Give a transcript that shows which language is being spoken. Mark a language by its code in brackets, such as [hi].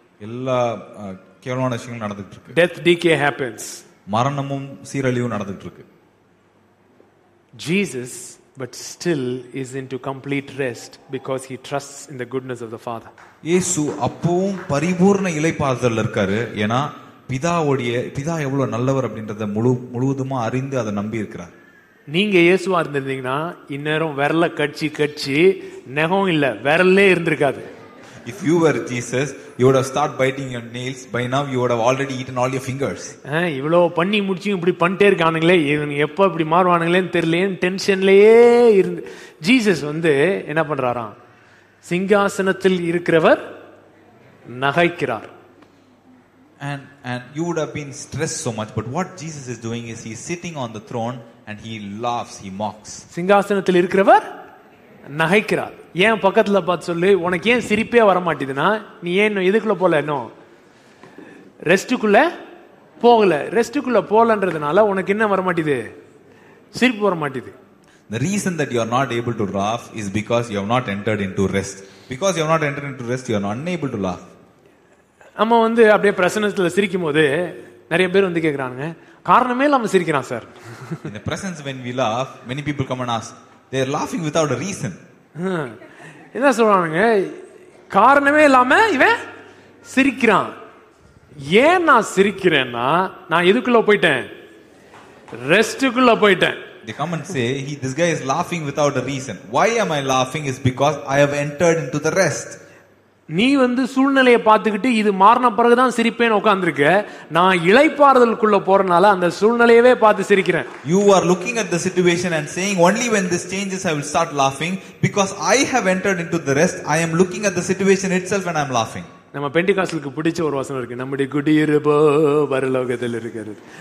[ta] எல்லா கேவலமான விஷயங்கள் நடந்துட்டு இருக்கு. [en] Death decay happens. [ta] மரணமும் சீரழிவும் நடந்துட்டு இருக்கு. [en] Jesus but still is into complete rest because he trusts in the goodness of the Father. [ta] இயேசு அப்பவும் பரிபூர்ண இளைப்பாறுதல்ல இருக்காரு. ஏனா பிதாவோட பிதா எவ்வளவு நல்லவர் அப்படின்றத முழுவதுமா அறிந்து அதை நம்பி இருக்கிறார். நீங்க இயேசுவா இருந்திருந்தீங்கனா இன்னேரம் விரல கட்சி கட்சி நெகம் இல்ல விரலே இருந்திருக்காது. [en] If you were Jesus, you would have started biting your nails. By now, you would have already eaten all your fingers. [ta] இவ்வளவு பண்ணி முடிச்சு இப்படி பண்ணிட்டே இருக்கானுங்களே, இவங்க எப்ப இப்படி மாறுவானுங்களேன்னு தெரியலேன் டென்ஷன்லயே இருந்து ஜீசஸ் வந்து என்ன பண்றாராம், சிங்காசனத்தில் இருக்கிறவர் நகைக்கிறார். [en] And you would have been stressed so much, but what Jesus is doing is he is sitting on the throne and he laughs, he mocks. [ta] சிங்காசனத்தில் இருக்கிறவர் நகைக்கிறார். ஏன் பக்கத்துல பார்த்து சொல்லு, உனக்கு ஏன் சிரிப்பே வர மாட்டேதுன்னா நீ ஏன் எதுக்குள்ள போல, இன்னும் ரெஸ்டுக்குள்ள போகல, ரெஸ்டுக்குள்ள போகலன்றதுனால உனக்கு என்ன வர மாட்டேது, சிரிப்பு வர மாட்டேது. [en] The reason that you are not able to laugh is because you have not entered into rest. Because you have not entered into rest, you are unable to laugh. [ta] நம்ம வந்து அப்படியே பிரசன்னத்துல சிரிக்கும் போது நிறைய பேர் வந்து கேக்குறாங்க, காரணமே இல்லாம சிரிக்கிறான் sir. [en] In the presence when we laugh, many people come and ask, they are laughing without a reason. [ta] என்ன சொல்றானுங்க, காரணமே இல்லாம இவன் சிரிக்கிறான். ஏன் நான் சிரிக்கிறேன்னா நான் எதுக்குள்ள போயிட்டேன், ரெஸ்டுக்குள்ள போயிட்டேன். [en] They come and say, this guy is laughing without a reason. Why am I laughing? It's because I have entered into the rest. [ta] நீ வந்து சூழ்நிலையை பார்த்துக்கிட்டு இது மாறின பிறகு தான் சிரிப்பேன் உட்கார்ந்துருக்க, நான் இளைப்பாறுதலுக்குள்ள போறனால அந்த சூழ்நிலையவே பார்த்து சிரிக்கிறேன். [en] You are looking at the situation and saying, only when this changes I will start laughing, because I have entered into the rest, I am looking at the situation itself and I am laughing. [ta] நம்ம பெண்டிகாஸ்டலுக்கு பிடிச்ச ஒரு வசனம் இருக்கு, நம்முடைய குடியிருப்போ பரலோகத்தில் இருக்கிறது.